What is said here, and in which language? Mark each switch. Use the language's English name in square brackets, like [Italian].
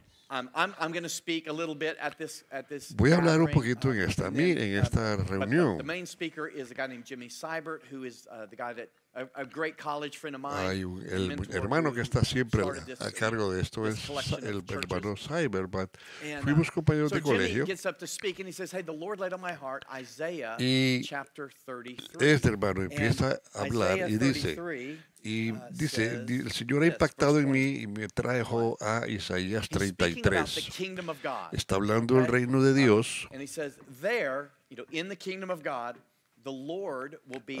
[English] I'm going to speak a little bit at this. [Spanish] Voy a hablar un poquito en esta reunión. [English] The main speaker is a guy named Jimmy Seibert, who is the guy that a great college friend of mine. [Spanish] Ay, el hermano que está siempre a cargo de esto es el hermano Cyber, but fuimos compañeros de colegio. [English] Jimmy gets up to speak and he says, "Hey, the Lord laid on my heart Isaiah chapter 33." [Spanish] Este hermano empieza a hablar y dice, el Señor ha impactado en mí y me trajo a Isaías 33. Está hablando del reino de Dios. [English] And he says, "There, you know, in the kingdom of God, the Lord will be